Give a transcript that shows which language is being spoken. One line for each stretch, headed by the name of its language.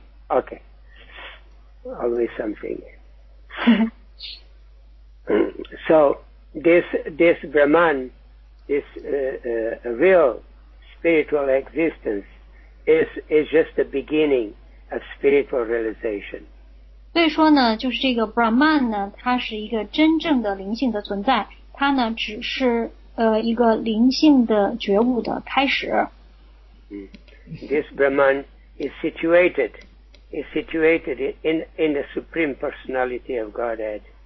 English: Okay. Always something. So, this Brahman, this real spiritual existence is just the beginning of spiritual realization.
Chinese: 所以说呢，就是这个 Brahman 呢，它是一个真正的灵性的存在，它呢只是一个灵性的觉悟的开始。
English: This Brahman is situated in the Supreme Personality of Godhead.